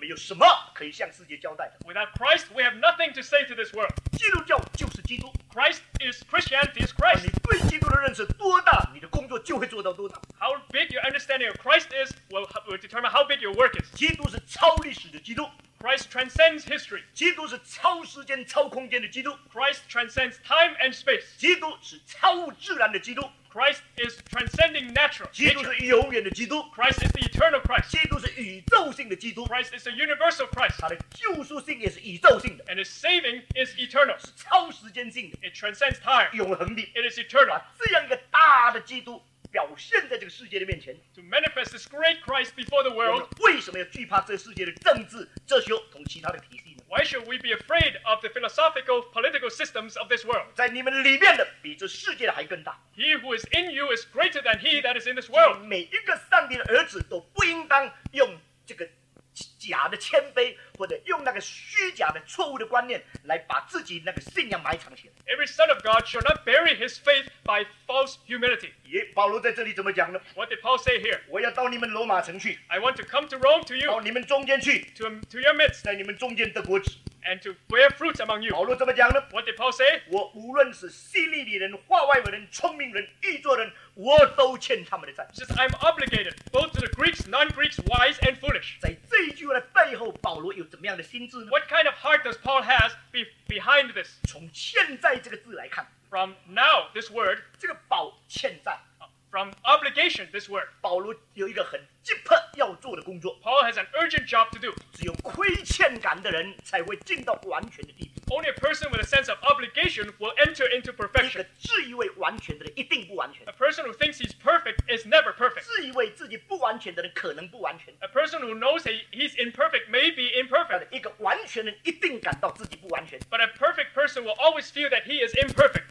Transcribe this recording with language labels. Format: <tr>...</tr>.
<en>Without Christ, we have nothing to say to this world.</en> <zh>基督教就是基督。</zh> <en>Christ is Christianity is Christ.</en> <zh>你对基督的认识多大，你的工作就会做到多大。</zh> <en>How big your understanding of Christ is will determine how big your work is.</en> <zh>基督是超历史的基督。</zh> <en>Christ transcends history.</en> <zh>基督是超时间、超空间的基督。</zh> <en>Christ transcends time and space.</en> <zh>基督是超自然的基督。</zh> <en>Christ is transcending natural.</en> <zh>基督是永远的基督。</zh> <en>Christ is the eternal Christ.</en> <zh>基督是宇宙性的基督。</zh> <en>Christ is a universal Christ.</en> <zh>他的救赎性也是宇宙性的。</zh> <en>And his saving is eternal.</en> <zh>是超时间性的。</zh> <en>It transcends time.</en> <zh>永恒的。</zh> <en>It is eternal.</en> <zh>把这样一个大的基督表现在这个世界的面前。</zh> <en>To manifest this great Christ before the world.</en> <zh>我们为什么要惧怕这个世界的政治、哲学同其他的体系呢？</zh> <en>Why should we be afraid of the philosophical political systems of this world?</en> <zh>在你们里面的比这世界的还更大。</zh> <en>He who is in you is greater than he that is in this world.</en> <zh>每一个上帝的儿子都不应当用这个假的谦卑或者用那个虚假的错误的观念来把自己那个信仰埋藏起来。</zh> <en>Every son of God shall not bury his faith by false humility.</en> <zh>保罗在这里怎么讲呢?</zh> <en>What did Paul say here?</en> <zh>我要到你们罗马城去。</zh> <en>I want to come to Rome to you.</en> <zh>到你们中间去。</zh> <en>To your midst.</en> <zh>在你们中间的国子。</zh> <en>And to bear fruits among you.</en> <zh>保罗怎么讲呢?</zh> <en>What did Paul say?</en> <zh>我无论是希利里人、话外人、聪明人、异作人， 我都欠他们的债。</zh> <en>Just I'm obligated both to the Greeks, non-Greeks, wise and foolish.</en> <zh>在这一句话的背后， 保罗有怎么样的心智呢?</zh> <en>What kind of heart does Paul have behind this?</en> <zh>从欠债这个字来看，</zh> <en>From now, this word,</en> <zh>这个保欠债，</zh> <en>From obligation, this word,</en> <zh>保罗有一个很急迫要做的工作。</zh> <en>Paul has an urgent job to do.</en> <zh>只有亏欠感的人才会进到完全的地步。</zh> <en>Only a person with a sense of obligation will enter into perfection.</en> <zh>一个自以为完全的人一定不完全。</zh> <en>A person who thinks he's perfect is never perfect.</en> <zh>自以为自己不完全的人可能不完全。</zh> <en>A person who knows he's imperfect may be imperfect.</en> <zh>一个完全人一定感到自己不完全。But</zh> <en>a perfect person will always feel that he is imperfect.</en>